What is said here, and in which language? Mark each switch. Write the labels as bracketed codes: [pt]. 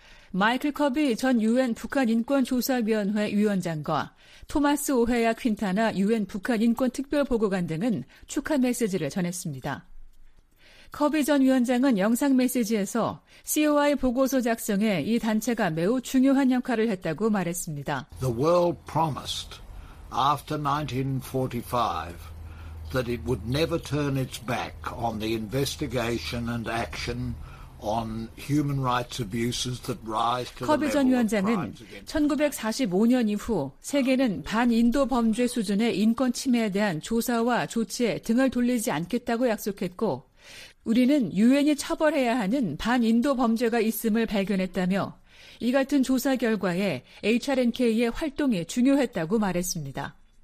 [ko] 마이클 커비 전 유엔 북한인권조사위원회 위원장과 토마스 오헤야 퀸타나 유엔 북한인권특별보고관 등은 축하 메시지를 전했습니다. 커비 전 위원장은 영상 메시지에서 COI 보고서 작성에 이 단체가 매우 중요한 역할을 했다고 말했습니다. [en] The world promised after 1945 that it would never turn its back on the investigation and action [ko] 커비 전 위원장은 1945년 이후 세계는 반인도 범죄 수준의 인권 침해에 대한 조사와 조치에 등을 돌리지 않겠다고 약속했고 우리는 유엔이 처벌해야 하는 반인도 범죄가 있음을 발견했다며 이 같은 조사 결과에 HRNK의 활동이 중요했다고 말했습니다.